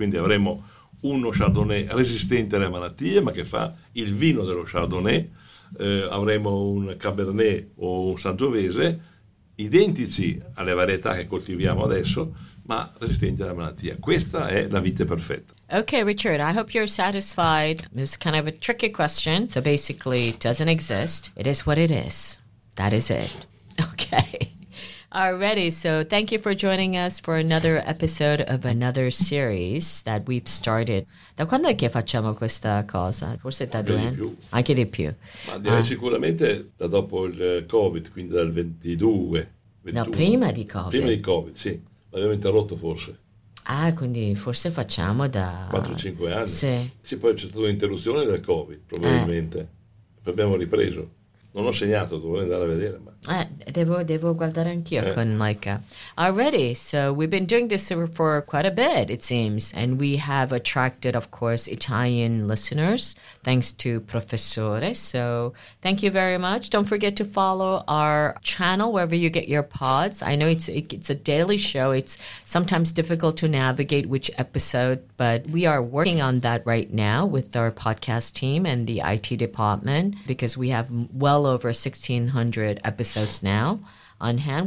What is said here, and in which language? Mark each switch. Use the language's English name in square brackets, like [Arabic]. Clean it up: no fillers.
[Italian] Quindi avremo uno Chardonnay resistente alle malattie, ma che fa il vino dello Chardonnay. Avremo un Cabernet o un Sangiovese identici alle varietà che coltiviamo adesso, ma resistenti alla malattia. Questa è la vite perfetta. [English] Okay, Richard, I hope you're satisfied. It was kind of a tricky question, so basically it doesn't exist. It is what it is. That is it. Okay. Alrighty, so thank you for joining us for another episode of another series that we've started. [Italian] Da quando è che facciamo questa cosa? Forse da due anni? Anche di più. Ma direi sicuramente da dopo il Covid, quindi dal 22. No, prima di Covid. Prima di Covid, sì. L'abbiamo interrotto forse. Ah, quindi forse facciamo da... 4-5 anni. Sì. Sì, poi c'è stata un'interruzione del Covid, probabilmente. Poi abbiamo ripreso. Non ho segnato, dovrei andare a vedere, ma... Devo guardare anch'io con Laika. [English] Already, so we've been doing this for quite a bit, it seems. And we have attracted, of course, Italian listeners, thanks to Professore. So thank you very much. Don't forget to follow our channel wherever you get your pods. I know it's a daily show. It's sometimes difficult to navigate which episode, but we are working on that right now with our podcast team and the IT department, because we have well over 1,600 episodes now on hand.